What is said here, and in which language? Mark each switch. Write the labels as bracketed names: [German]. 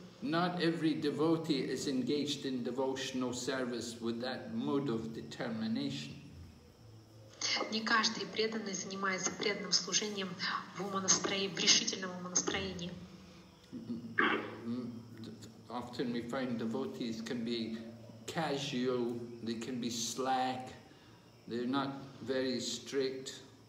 [English] Not every devotee is engaged in devotional service with that mode of determination. [Russian] Не каждый преданный занимается преданным служением в умонастроении, в решительном умонастроении. [English] Often we find devotees can be casual, they can be slack, they're not very strict.